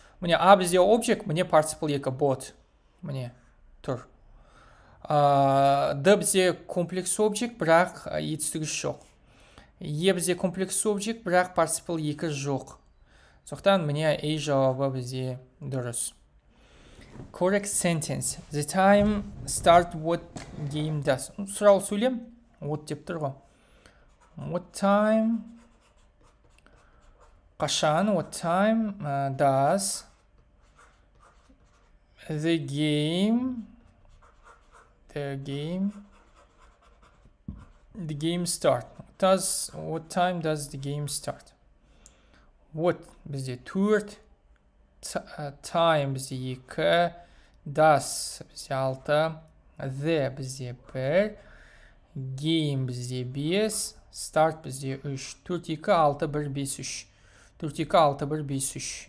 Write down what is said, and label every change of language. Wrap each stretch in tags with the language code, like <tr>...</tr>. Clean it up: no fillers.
<kk>Міне А бізде объект, міне participle 2 бот. Міне тұр. Д бізде комплекс объект, бірақ етістігі жоқ. Е бізде комплекс объект, бірақ participle 2 жоқ. Сондықтан міне A жауабы бізде дұрыс.</kk> <en>Correct sentence. The time start what game does.</en> <kk>Сұрау сөйлем. What деп тұр ғой.</kk> <en>What time?</en> <kk>Қашан?</kk> <en>What time does the game? The game start. What time does the game start?</en> <kk>What бізде төрт. Time бізде екі. Does бізде алты. The бізде бір. Гейм бізде 5, старт бізде 3. 4, 2, 6, 1, 5, 3. 4, 2, 6, 1, 5, 3.</kk>